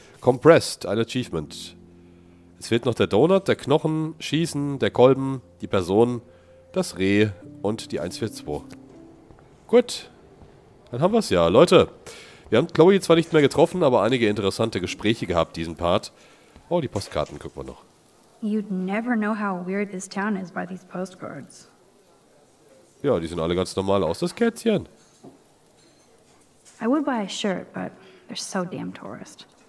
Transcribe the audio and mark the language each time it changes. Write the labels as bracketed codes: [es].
[de] Compressed, ein Achievement. Es fehlt noch der Donut, der Knochen, Schießen, der Kolben, die Person, das Reh und die 142. Gut, dann haben wir es ja. Leute, wir haben Chloe zwar nicht mehr getroffen, aber einige interessante Gespräche gehabt, diesen Part. Oh, die Postkarten gucken wir noch. [en] You'd never know how weird this town is by these postcards. [de] Ja, die sind alle ganz normal aus, das Kätzchen. [en] I would buy a shirt, but they're so damn tourist.